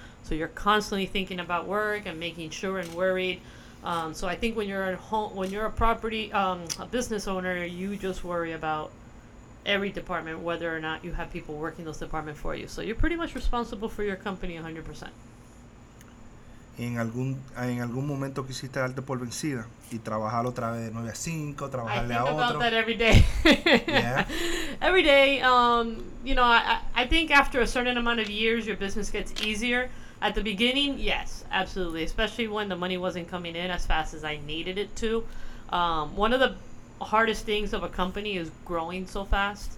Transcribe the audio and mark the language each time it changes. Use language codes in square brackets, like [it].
[en] So you're constantly thinking about work and making sure and worried. So I think when you're at home, when you're a property, a business owner, you just worry about every department, whether or not you have people working those departments for you. So you're pretty much responsible for your company 100%. [es] En algún momento quisiste darte por vencida y trabajar otra vez de 9 a 5, trabajarle a otro. [en] I think about that every day. Yeah. Every day, you know, I think after a certain amount of years, your business gets easier. At the beginning, yes, absolutely, especially when the money wasn't coming in as fast as I needed it to. One of the hardest things of a company is growing so fast.